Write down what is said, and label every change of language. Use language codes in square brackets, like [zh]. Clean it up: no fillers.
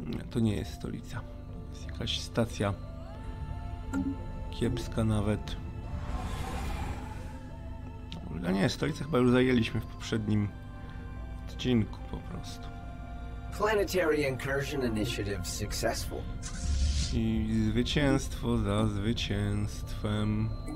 [pl] To nie jest stolica. To jest jakaś stacja kiepska nawet. A nie, stolicę chyba już zajęliśmy w poprzednim odcinku po prostu. [en] Planetary Incursion Initiative successful. [pl] I zwycięstwo za zwycięstwem.